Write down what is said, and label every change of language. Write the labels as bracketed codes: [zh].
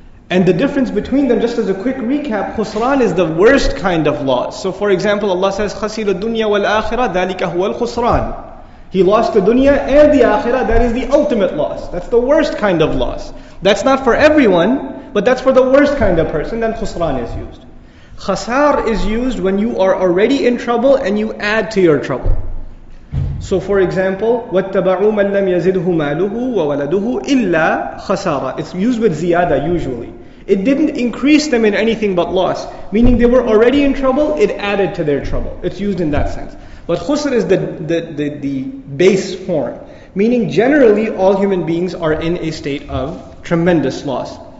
[en] And the difference between them, just as a quick recap, خُسْران is the worst kind of loss. So for example, Allah says [ar] خَسِرَ الدُّنْيَا وَالْآخِرَةَ ذَلِكَ هُوَ الْخُسْرَانِ. [en] He lost the dunya and the akhirah, that is the ultimate loss. That's the worst kind of loss. That's not for everyone, but that's for the worst kind of person, then khusran is used. Khasar is used when you are already in trouble and you add to your trouble. So for example, [ar] وَاتَّبَعُوا مَنْ لَمْ يَزِدْهُ مَالُهُ وَوَلَدُهُ إِلَّا خَسَارًا. [en] It's used with ziyada usually. It didn't increase them in anything but loss. Meaning they were already in trouble, it added to their trouble. It's used in that sense. But khusr is the base form. Meaning generally all human beings are in a state of tremendous loss.